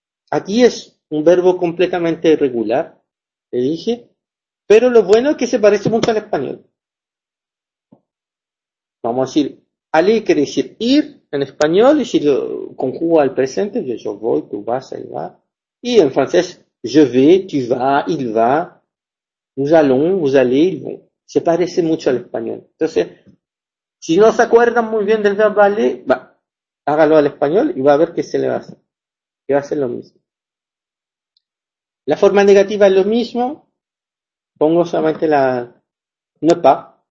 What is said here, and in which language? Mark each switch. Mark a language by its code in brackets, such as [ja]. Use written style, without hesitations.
[es] Aquí es un verbo completamente irregular, le dije, pero lo bueno es que se parece mucho al español. Vamos a decir, aller quiere decir ir en español, y si lo conjugo al presente, yo voy, tú vas, él va. Y en francés, [fr] je vais, tu vas, il va, nous allons, vous allez, ils vont. [es] Se parece mucho al español. Entonces, si no se acuerdan muy bien del verbo aller, va, hágalo al español y va a ver qué se le va a hacer. Que va a ser lo mismo. La forma negativa es lo mismo. Pongo solamente la ne pas.